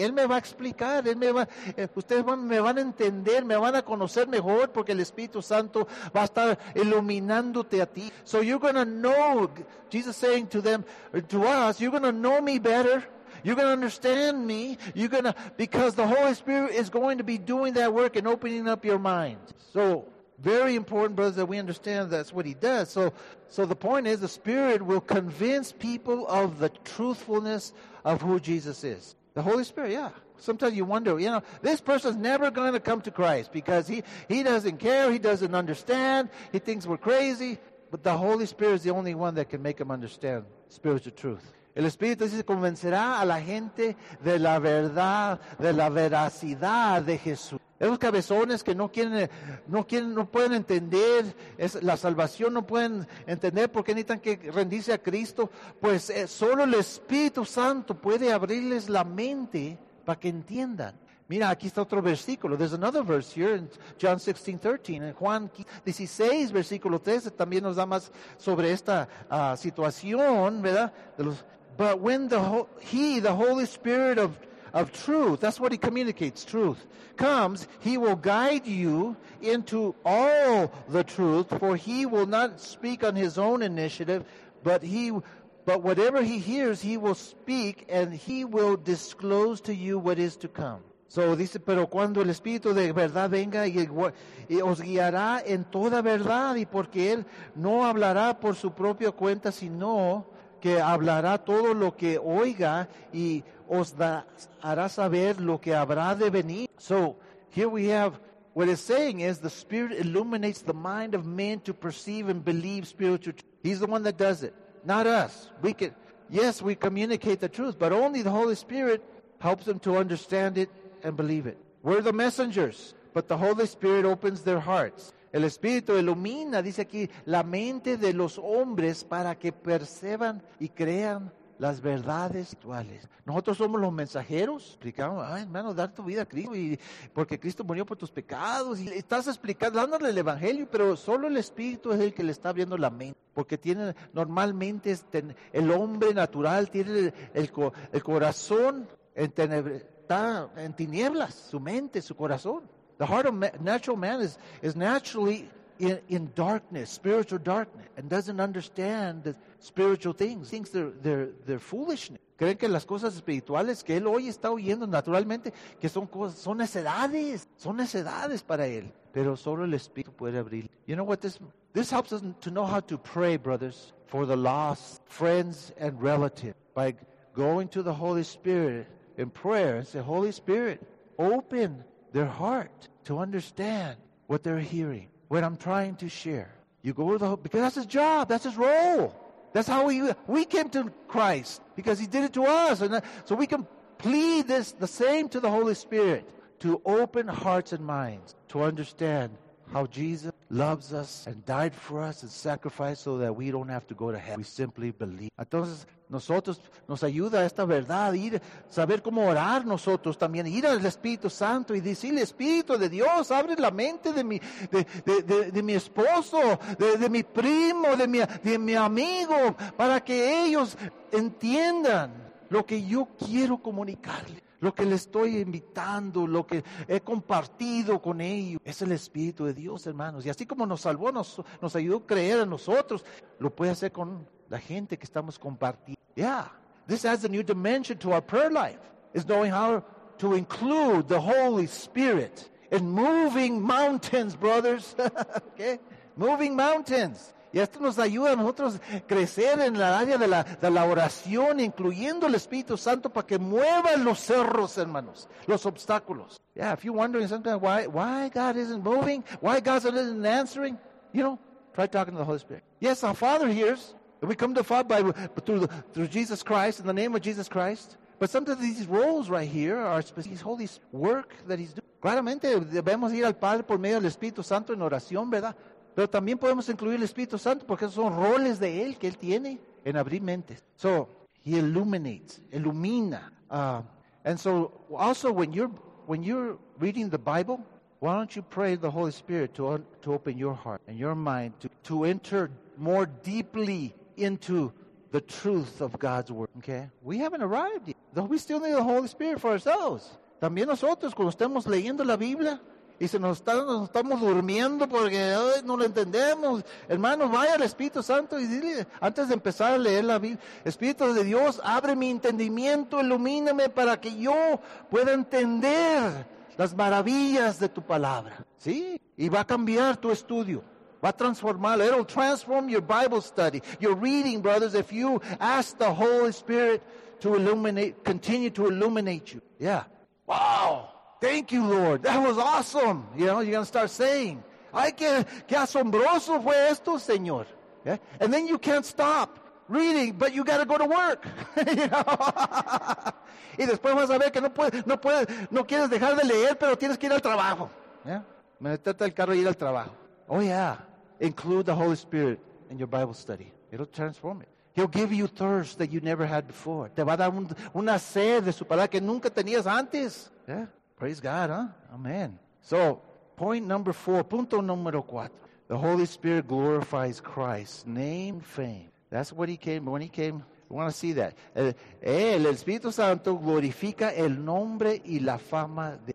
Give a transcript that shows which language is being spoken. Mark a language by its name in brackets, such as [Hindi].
[Spanish] Él me va a explicar, ustedes me van a entender, me van a conocer mejor porque el Espíritu Santo va a estar iluminándote a ti. [English] So you're going to know, Jesus saying to them, to us, you're going to know me better. You're going to understand me. You're going to, because the Holy Spirit is going to be doing that work and opening up your mind. So, very important, brothers, that we understand that's what he does. So the point is, the Spirit will convince people of the truthfulness of who Jesus is. The Holy Spirit, yeah. Sometimes you wonder, you know, this person's never going to come to Christ because he doesn't care, he doesn't understand, he thinks we're crazy. But the Holy Spirit is the only one that can make him understand spiritual truth. [Spanish] El Espíritu dice, convencerá a la gente de la verdad, de la veracidad de Jesús. Esos cabezones que no pueden entender la salvación, no pueden entender por qué necesitan que rendirse a Cristo, pues solo el Espíritu Santo puede abrirles la mente para que entiendan. Mira, aquí está otro versículo. [English] There's another verse here in John 16:13. [Spanish] En Juan 16, versículo 13, también nos da más sobre esta situación, ¿verdad? [English] But when the Holy Spirit of truth, that's what he communicates, truth, comes, he will guide you into all the truth, for he will not speak on his own initiative, but whatever he hears, he will speak, and he will disclose to you what is to come. [Spanish] So dice, pero cuando el Espíritu de verdad venga y os guiará en toda verdad, y porque él no hablará por su propia cuenta, sino que hablará todo lo que oiga y os hará saber lo que habrá de venir. [English] So here we have what it's saying is the Spirit illuminates the mind of men to perceive and believe spiritual truth. He's the one that does it, not us. We communicate the truth, but only the Holy Spirit helps them to understand it and believe it. We're the messengers, but the Holy Spirit opens their hearts. [Spanish] El Espíritu ilumina, dice aquí, la mente de los hombres para que perciban y crean las verdades actuales. Nosotros somos los mensajeros. Explicamos, ay, hermano, dar tu vida a Cristo, y porque Cristo murió por tus pecados. Y estás explicando, dándole el Evangelio, pero solo el Espíritu es el que le está abriendo la mente. Porque tiene, normalmente, el hombre natural tiene el corazón en tinieblas, su mente, su corazón. [English] The heart of natural man is naturally in darkness, spiritual darkness, and doesn't understand the spiritual things. Thinks they're foolishness. [Spanish] Creen que las cosas espirituales que él hoy está oyendo naturalmente, que son cosas, son necedades para él. Pero solo el Espíritu puede abrir. [English] You know what this helps us to know how to pray, brothers, for the lost friends and relatives by going to the Holy Spirit in prayer and say, Holy Spirit, open their heart to understand what they're hearing, what I'm trying to share. You go to the Holy, because that's his job, that's his role. That's how we came to Christ, because he did it to us. And so we can plead this the same to the Holy Spirit to open hearts and minds to understand how Jesus loves us and died for us and sacrificed so that we don't have to go to hell. We simply believe. [Spanish] Entonces, nosotros, nos ayuda esta verdad, ir, saber cómo orar nosotros también, ir al Espíritu Santo y decirle, Espíritu de Dios, abre la mente de mi esposo, de mi primo, de mi amigo, para que ellos entiendan lo que yo quiero comunicarle. Lo que le estoy invitando, lo que he compartido con ellos, es el Espíritu de Dios, hermanos. Y así como nos salvó, nos ayudó a creer en nosotros, lo puede hacer con la gente que estamos compartiendo. [English] Yeah, this adds a new dimension to our prayer life. It's knowing how to include the Holy Spirit in moving mountains, brothers. Okay, moving mountains. [Spanish] Y esto nos ayuda a nosotros crecer en el área de la oración, incluyendo el Espíritu Santo para que mueva los cerros, hermanos, los obstáculos. [English] Yeah, if you're wondering sometimes why God isn't moving, why God isn't answering, you know, try talking to the Holy Spirit. Yes, our Father hears, and we come to Father by through Jesus Christ, in the name of Jesus Christ. But sometimes these roles right here are specific. His Holy work that he's doing. [Spanish] Claramente debemos ir al Padre por medio del Espíritu Santo en oración, ¿verdad? Pero también podemos incluir el Espíritu Santo porque esos son roles de Él que Él tiene en abrir mentes. [English] So, He illuminates, ilumina. And so, also, when you're reading the Bible, why don't you pray the Holy Spirit to open your heart and your mind to enter more deeply into the truth of God's Word. Okay? We haven't arrived yet. We still need the Holy Spirit for ourselves. [Spanish] También nosotros, cuando estemos leyendo la Biblia, y se nos estamos durmiendo porque no lo entendemos. Hermano, vaya al Espíritu Santo y dile, antes de empezar a leer la Biblia, Espíritu de Dios, abre mi entendimiento, ilumíname para que yo pueda entender las maravillas de tu palabra. Sí, y va a cambiar tu estudio. Va a transformarlo. [English] It'll transform your Bible study, your reading, brothers, if you ask the Holy Spirit to illuminate, continue to illuminate you. Yeah. Wow. Thank you, Lord. That was awesome. You know, you're going to start saying, [Spanish] ay, qué asombroso fue esto, Señor. [English] Yeah? And then you can't stop reading, but you got to go to work. [Spanish] Y después vas a ver que no puedes, no quieres dejar de leer, pero tienes que ir al trabajo. Yeah? Meterte al carro y ir al trabajo. [English] Oh, yeah. Include the Holy Spirit in your Bible study. It'll transform it. He'll give you thirst that you never had before. [Spanish] Te va a dar una sed de su palabra que nunca tenías antes. [English] Yeah. Praise God, huh? Amen. [Spanish] So, punto número cuatro. [English] The Holy Spirit glorifies Christ. Name, fame. That's what he came, when he came. We want to see that. [Spanish] El Espíritu Santo glorifica el nombre y la fama.